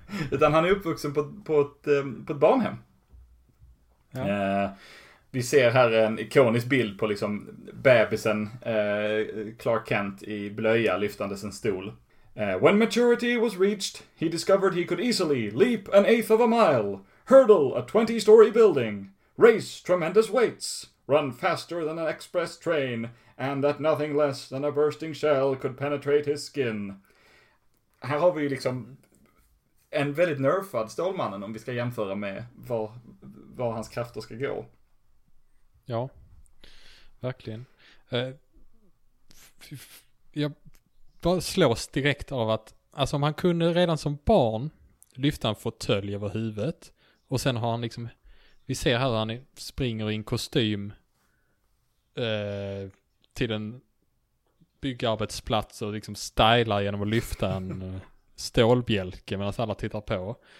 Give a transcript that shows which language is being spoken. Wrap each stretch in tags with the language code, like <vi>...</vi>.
<sv>Utan han är uppvuxen på ett barnhem. Ja. Vi ser här en ikonisk bild på liksom bebisen Clark Kent i blöja lyftandes en stol.</sv> <en>When maturity was reached, he discovered he could easily leap an eighth of a mile, hurdle a 20-story building, race tremendous weights, run faster than an express train, and that nothing less than a bursting shell could penetrate his skin.</en> <sv>Här har vi liksom en väldigt nerfad stålmannen om vi ska jämföra med var hans krafter ska gå. Ja, verkligen. Jag bara slås direkt av att, alltså, om han kunde redan som barn lyfta en fåtölj över huvudet, och sen har han liksom, vi ser här han springer i en kostym till en byggarbetsplats och liksom stylar genom att lyfta en stålbjälke medan alla tittar på.</sv>